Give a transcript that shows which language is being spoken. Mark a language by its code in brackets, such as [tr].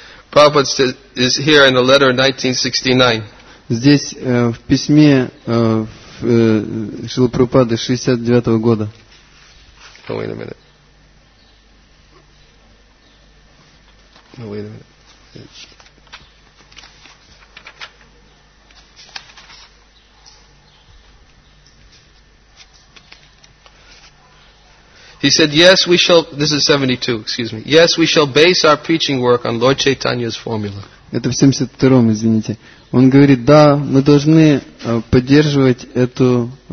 [en] Prabhupada is here in a letter in 1969. [ru] Здесь в письме Шрилы Прабхупады 69-го года. [en] Wait a minute. He said, yes, we shall, this is 72, excuse me. Yes, we shall base our preaching work on Lord Chaitanya's formula. [ru] это в 72-м, извините. Он говорит, да, мы должны поддерживать эту...